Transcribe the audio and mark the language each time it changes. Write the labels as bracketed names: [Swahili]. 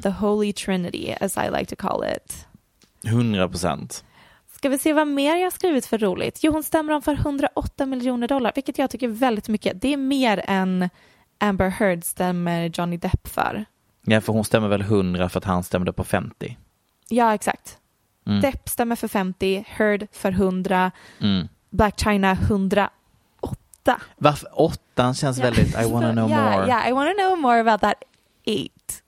[English] The Holy Trinity, as I like to call it. 100%. [Swedish] Ska vi se vad mer jag har skrivit för roligt? Jo, hon stämmer om för $108 million, vilket jag tycker väldigt mycket. Det är mer än Amber Heard stämmer Johnny Depp för. Ja, för hon stämmer väl 100 för att han stämde på 50. Ja, exakt. Mm. Depp stämmer för 50, Heard för 100, Black China 100. Varför åttan känns väldigt [English] I wanna know more. Yeah, I wanna know more about that eight.